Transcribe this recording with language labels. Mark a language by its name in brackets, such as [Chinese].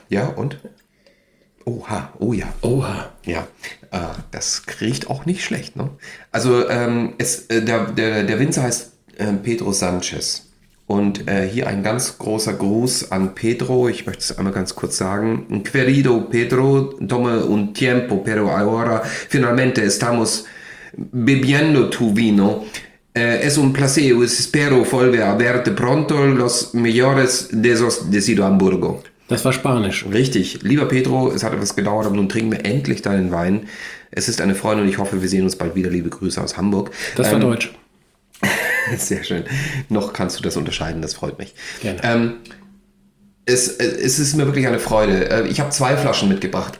[German] Ja, und? Oha, oh ja. Oha. Ja, das riecht auch nicht schlecht, ne? Also der Winzer heißt Pedro Sanchez. Und hier ein ganz großer Gruß an Pedro. Ich möchte es einmal ganz kurz sagen. [Spanish] Querido Pedro, tome un tiempo, pero ahora finalmente estamos bebiendo tu vino. Es un placer, espero volver a verte pronto los mejores de Sido Hamburgo. [German] Das war Spanisch. Richtig. Lieber Pedro, es hat etwas gedauert, aber nun trinken wir endlich deinen Wein. Es ist eine Freude und ich hoffe, wir sehen uns bald wieder. Liebe Grüße aus Hamburg. Das war Deutsch. Sehr schön. Noch kannst du das unterscheiden, das freut mich. Gerne. Es ist mir wirklich eine Freude. Ich habe zwei Flaschen mitgebracht.